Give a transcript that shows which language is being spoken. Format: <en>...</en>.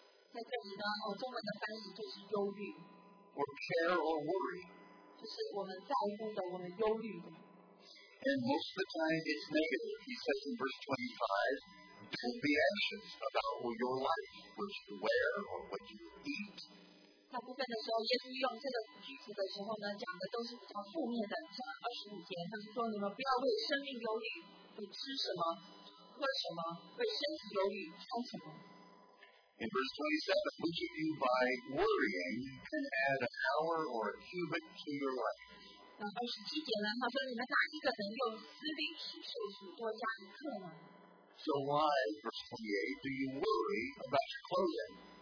<zh>在这里呢，中文的翻译就是忧虑。</zh> <en>Or care or worry.</en> <zh>就是我们在乎的，我们忧虑的。</zh> <en>And most of the time, it's negative. He says in verse 25, don't be anxious about all your life, what you wear or what you eat.</en> <zh>大部分的时候，耶稣用这个句子的时候呢，讲的都是比较负面的。像二十五节，他是说你们不要为生命忧虑。你吃什么？喝什么？为身体忧虑，穿什么</zh> <en>？In verse 27, which of you by worrying can add an hour or a cubit to your life?</en> <zh>那二十七节呢？他说你们哪一个能用思虑去受苦多加一刻呢</zh> <en>？So why, verse 28, do you worry about your clothing?</en>